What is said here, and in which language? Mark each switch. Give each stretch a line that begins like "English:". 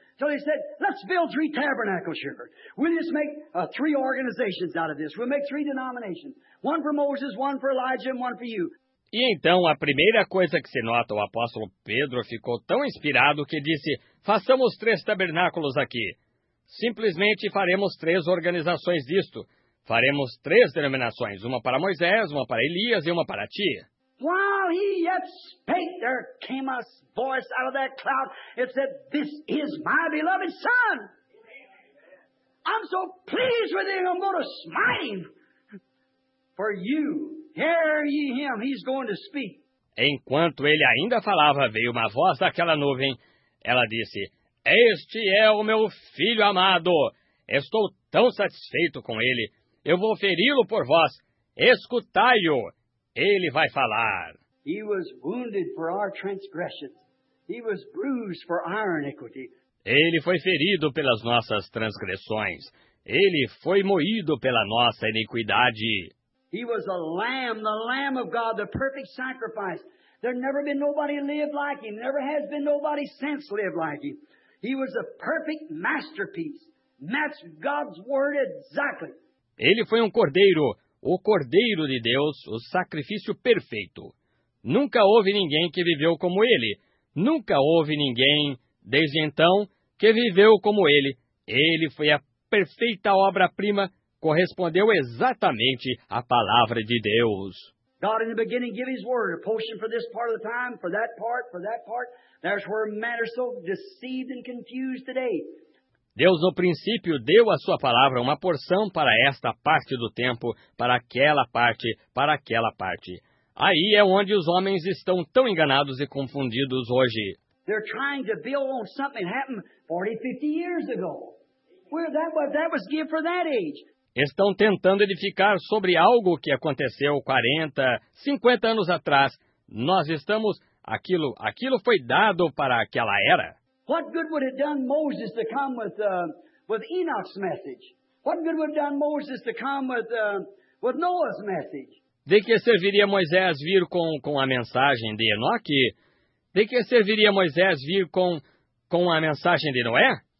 English: So he said, let's build three tabernacles here. We'll just make three organizations out of this. We'll make three denominations. One for Moses, one for Elijah, and one for you.
Portuguese: E então, a primeira coisa que se nota, o apóstolo Pedro ficou tão inspirado que disse, façamos três tabernáculos aqui. Simplesmente faremos três organizações disto. Faremos três denominações, uma para Moisés, uma para Elias e uma para ti.
English: While he yet spake, there came a voice out of that cloud. It said, this is my beloved son. I'm so pleased with him, I'm going to smite him. For you, hear ye him, he's going to speak.
Portuguese: Enquanto ele ainda falava, veio uma voz daquela nuvem. Ela disse, este é o meu filho amado. Estou tão satisfeito com ele. Eu vou feri-lo por vós. Escutai-o. Ele vai falar.
English: He was wounded for our transgressions. He was bruised for our iniquity.
Portuguese: Ele foi ferido pelas nossas transgressões. Ele foi moído pela nossa iniquidade.
English: He was the Lamb of God, the perfect sacrifice. There never been nobody lived like him. Never has been nobody since lived like him. He was a perfect masterpiece. Matched God's word exactly.
Portuguese: Ele foi cordeiro. O Cordeiro de Deus, o sacrifício perfeito. Nunca houve ninguém que viveu como ele. Nunca houve ninguém, desde então, que viveu como ele. Ele foi a perfeita obra-prima, correspondeu exatamente à palavra de Deus.
English: God in the beginning gave his word, a portion for this part of the time, for that part, that's where men are so deceived and confused today.
Portuguese: Deus, no princípio, deu a sua palavra uma porção para esta parte do tempo, para aquela parte, para aquela parte. Aí é onde os homens estão tão enganados e confundidos hoje.
English: They're trying to build on something that happened 40, 50 years ago. Well, that was given for that age.
Portuguese: Estão tentando edificar sobre algo que aconteceu 40, 50 anos atrás. Nós estamos... Aquilo foi dado para aquela era.
English: What good would have done Moses to come with Enoch's message? What good would have done Moses to come with Noah's message?
Portuguese: De que serviria Moisés vir com a mensagem de Enoque? De que serviria Moisés vir com a mensagem de Noé?